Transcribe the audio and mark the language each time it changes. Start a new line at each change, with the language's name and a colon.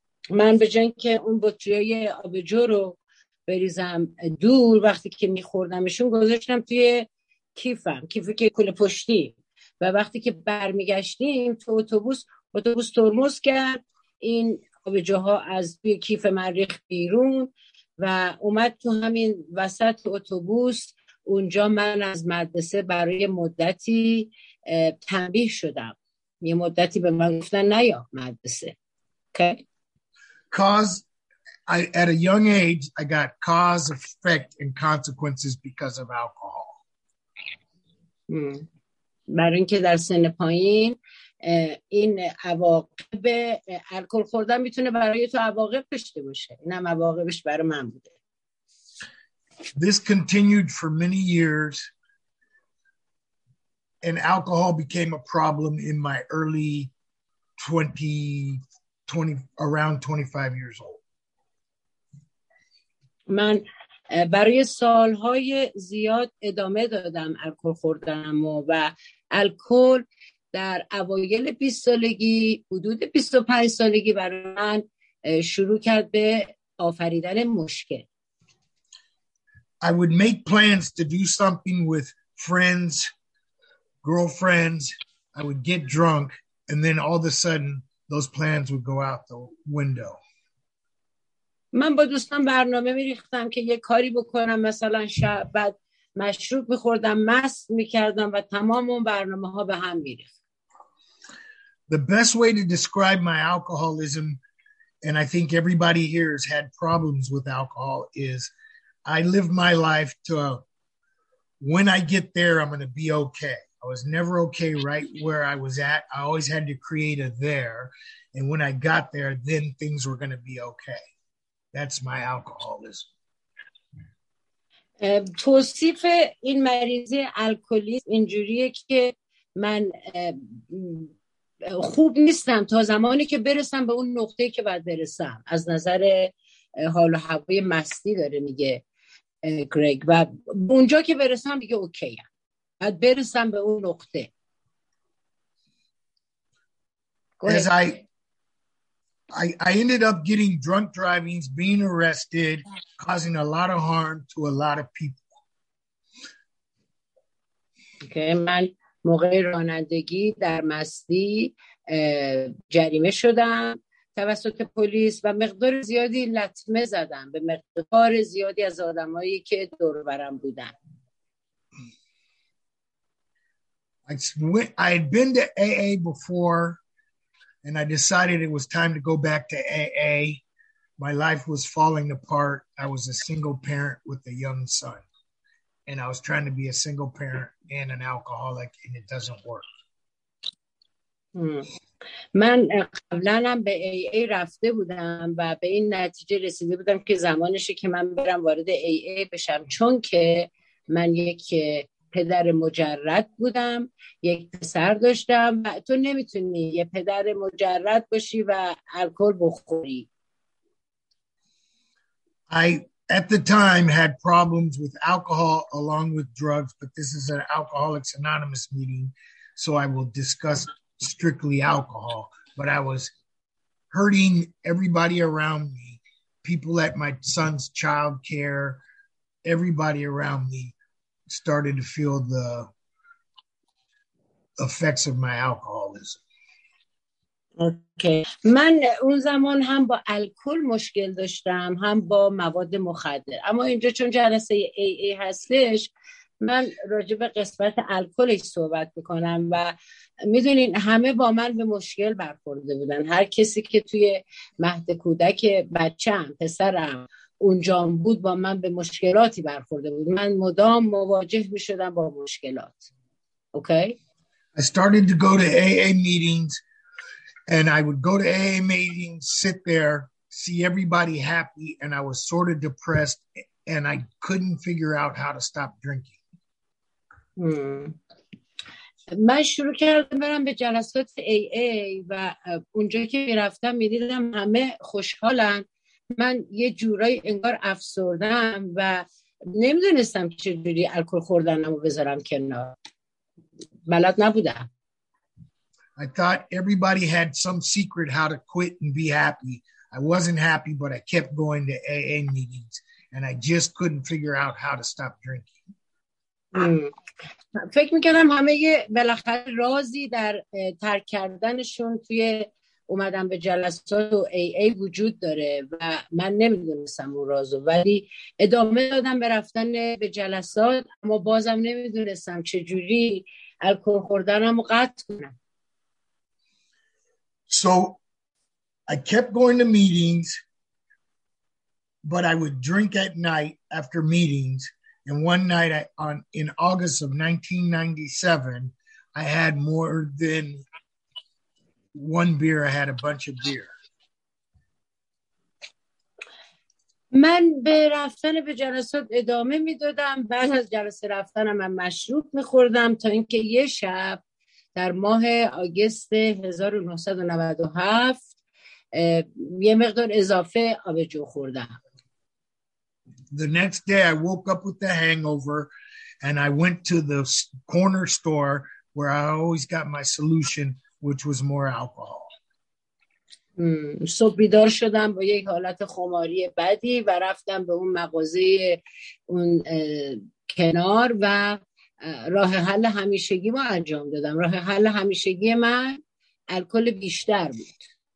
Persian: من به جای که اون بطری آبجو رو بریزم دور وقتی که میخوردمشون گذاشتم توی کیفم، کیفی که کل پشتی، و وقتی که برمیگشتیم تو اتوبوس، اتوبوس ترمز کرد، این آبجوها از توی کیف من ریخت بیرون و اومد تو همین وسط اتوبوس. اونجا من از مدرسه برای مدتی تنبیه شدم، یه مدتی به من گفتن نیا مدرسه.
English: Okay. At a young age, I got cause, effect, and consequences because of alcohol.
Persian: برای اینکه در سن پایین این عواقب الکل خوردن میتونه برای تو عواقب پشته باشه، اینم عواقبش برای من بوده.
English: This continued for many years, and alcohol became a problem in my early 20 around 25 years old.
Persian: من برای سالهای زیاد ادامه دادم الکل خوردم و الکل در اوایل 20 سالگی، حدود 25 سالگی برای من شروع کرد به آفریدن مشکل.
English: I would make plans to do something with friends, girlfriends. I would get drunk, and then all of a sudden, those plans would go out the window.
Persian: من با دوستان برنامه می‌ریختم که یه کاری بکنم، مثلا شب بعد مشروب می‌خوردم، مست می‌کردم و تمام اون برنامه‌ها به هم می‌ریخت.
English: The best way to describe my alcoholism, and I think everybody here has had problems with alcohol, is I lived my life to when I get there, I'm going to be okay. I was never okay right where I was at. I always had to create a there. And when I got there, then things were going to be okay. That's my alcoholism.
Persian: توصیف این مریضی الکلیسم اینجوریه که من خوب نیستم تا زمانی که برسم به اون نقطه که باید برسم. از نظر حال و هوای مستی داره میگه گریگ، و اونجا که برسم دیگه اوکی هم، بعد برسم به اون نقطه.
English: I ended up getting drunk driving, being arrested, causing a lot of harm to a lot of people.
Persian: Okay, من موقع رانندگی در مستی جریمه شدم توسط پلیس و مقدار زیادی لطمه زدم به مقدار زیادی از آدمایی که دور برم بودن.
English: I had been to AA before and I decided it was time to go back to AA. My life was falling apart. I was a single parent with a young son and I was trying to be a single parent and an alcoholic and it doesn't work.
Persian: من قبلا هم به AA رفته بودم و به این نتیجه رسیده بودم که زمانشه که من برم وارد AA بشم، چون که من یک پدر مجرد بودم، یک پسر داشتم و تو نمیتونی یه پدر مجرد باشی و الکل بخوری.
English: I at the time had problems with alcohol along with drugs, but this is an Alcoholics Anonymous meeting, so I will discuss strictly alcohol, but I was hurting everybody around me, people at my son's child care, everybody around me started to feel the effects of my alcoholism. Okay.
Persian: من اون زمان هم با الکل مشکل داشتم، هم با مواد مخدر، اما اینجا چون جلسه AA هستش، من راجع به قسمت الکلش صحبت میکنم و میدونین همه با من به مشکل برخورده بودن. هر کسی که توی مهد کودک بچه‌ام، پسرم، اونجام بود با من به مشکلاتی برخورده بود. من مدام مواجه میشدم با مشکلات.
English: Okay? I started to go to AA meetings and I would go to AA meetings, sit there, see everybody happy and I was sort of depressed and I couldn't figure out how to stop drinking.
Persian: من شروع کردم برم به جلسات AA و اونجا که می رفتم می دیدم همه خوشحالن، من یه جورایی انگار افسردم و نمی دونستم چجوری الکل خوردنم و بذارم کنار، بلد نبودم.
English: I thought everybody had some secret how to quit and be happy. I wasn't happy, but I kept going to AA meetings, and I just couldn't figure out how to stop drinking.
Persian: فکر میکردم همه یه بالاخره رازی در ترک کردنشون توی اومدن به جلسات و AA وجود داره و من نمیدونستم اون رازو، ولی ادامه دادم به رفتن به جلسات، اما بازم نمیدونستم چجوری الکل خوردنم رو قطع کنم.
English: So I kept going to meetings, but I would drink at night after meetings. And one night in August of 1997, I had more than one beer. I had a bunch of beer.
Persian: من به رفتن به جلسات ادامه میدادم. بعد از جلسه رفتنم من مشروب میخوردم تا اینکه یه شب در ماه آگست 1997 یه مقدار اضافه آبجو خوردم.
English: The next day I woke up with the hangover and I went to the corner store where I always got my solution, which was more alcohol.
Persian: صبح بیدار شدم با یک حالت خماری بدی و رفتم به اون مغازه اون کنار و راه حل همیشگی ما انجام دادم. راه حل همیشگی من الکل بیشتر بود.